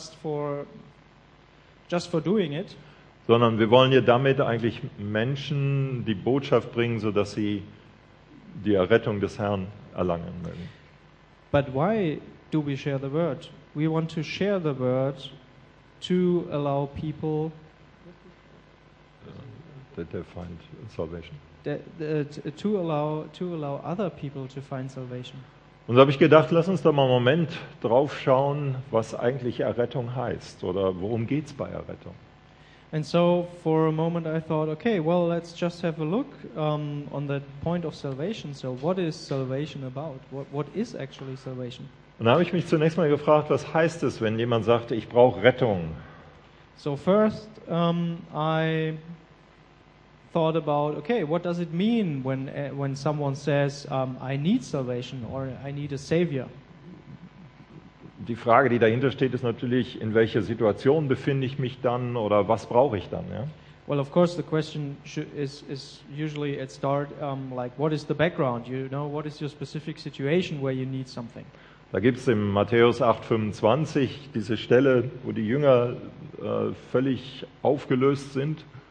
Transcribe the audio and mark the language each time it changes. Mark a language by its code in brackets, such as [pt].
[en] It's not just for doing it. [de] Sondern wir wollen ja damit eigentlich Menschen die Botschaft bringen, so dass sie die Errettung des Herrn erlangen mögen. [en] But why do we share the word? We want to share the word to allow people. They find salvation. To allow other people to find salvation. [de] Und so habe ich gedacht, lass uns da mal einen Moment drauf schauen, was eigentlich Errettung heißt oder worum geht's bei Errettung. [en] And so for a moment I thought, okay, well, let's just have a look on the point of salvation. So what is salvation about? What is actually salvation? [de] Und da habe ich mich zunächst mal gefragt, was heißt es, wenn jemand sagt, ich brauche Rettung? [en] So first I thought about, okay, what does it mean when someone says I need salvation or I need a savior? [de] Die Frage, die dahinter steht, ist natürlich, in welcher Situation befinde ich mich dann oder was brauche ich dann, ja? [en] Well, of course, the question is usually at start like what is the background, you know, what is your specific situation where you need something? [de] Da gibt's im Matthäus 8:25 diese Stelle, wo die Jünger völlig aufgelöst sind.